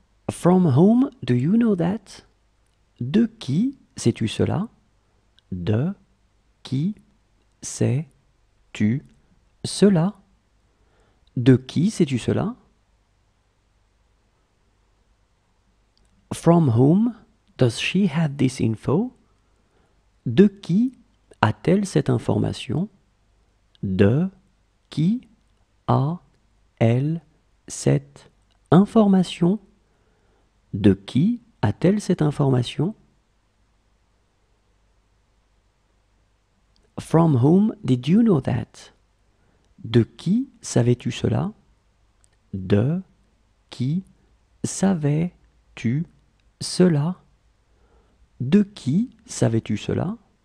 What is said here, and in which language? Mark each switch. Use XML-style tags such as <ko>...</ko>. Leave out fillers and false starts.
<en>From whom, do you know that?</en> <fr>De qui, sais-tu cela? De qui, sais-tu cela? De qui, sais-tu cela?</fr> <en>From whom does she have this info?</en> <fr>De qui a-t-elle cette information? De qui a-t-elle cette information? De qui a-t-elle cette information?</fr> <en>From whom did you know that?</en> <fr>De qui savais-tu cela? De qui savais-tu cela? De qui savais-tu cela?</fr>